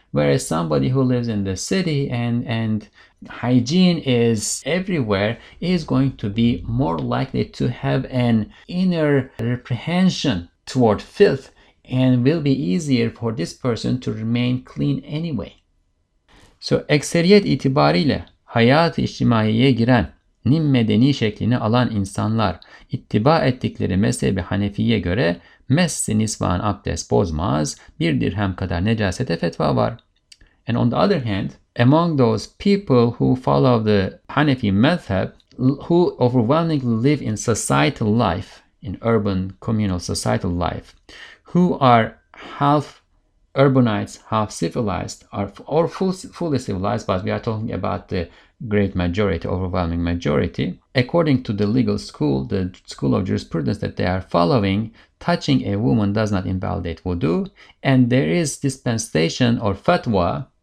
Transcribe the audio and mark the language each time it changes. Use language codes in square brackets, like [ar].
[en] Whereas somebody who lives in the city and hygiene is everywhere is going to be more likely to have an inner reprehension toward filth and will be easier for this person to remain clean anyway. [tr] So, ekseriyet itibariyle hayat-ı içtimaiye giren, nimmedeni şeklini alan insanlar ittiba ettikleri mezhebi Hanefi'ye göre mes-i nisvan abdest bozmaz, bir dirhem kadar necasete fetva var. [en] And on the other hand, among those people who follow the Hanafi madhhab, who overwhelmingly live in societal life, in urban communal societal life, who are half urbanites, half civilized, or fully civilized, but we are talking about the great majority, overwhelming majority, according to the legal school, the school of jurisprudence that they are following, touching a woman does not invalidate wudu, and there is dispensation or fatwa.